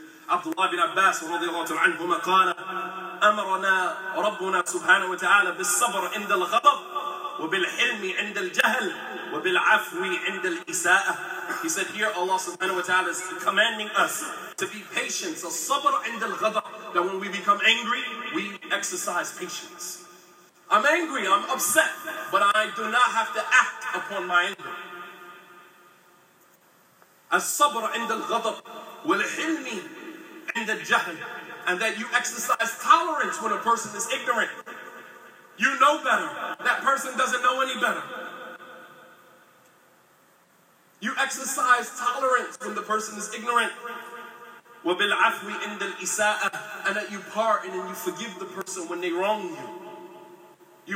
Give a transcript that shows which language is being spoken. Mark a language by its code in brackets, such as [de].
[ar] Abdullah bin Abbas radiallahu anhu قال, أَمَرَنَا رَبُّنَا سُبْحَانَهُ وَتَعَالَى بِالصَّبْرِ عِنْدَ الْغَضَبِ وَبِالْحِلْمِ عِنْدَ الْجَهْلِ وَبِالْعَفْوِ عِنْدَ الْإِسَاءَةِ. [en] He said, here Allah subhanahu wa ta'ala is commanding us to be patient. So sabr [ar] عند الغضب, [en] that when we become angry, we exercise patience. I'm angry, I'm upset, but I do not have to act upon my anger. [ar] As sabr عند الغضب والحلم عند الجهل, [en] and that you exercise tolerance when a person is ignorant. You know better. That person doesn't know any better. You exercise tolerance when the person is ignorant. [ar] وَبِالْعَفْوِ عِنْدَ الْإِسَاءَ [en] And that you pardon and you forgive the person when they wrong you.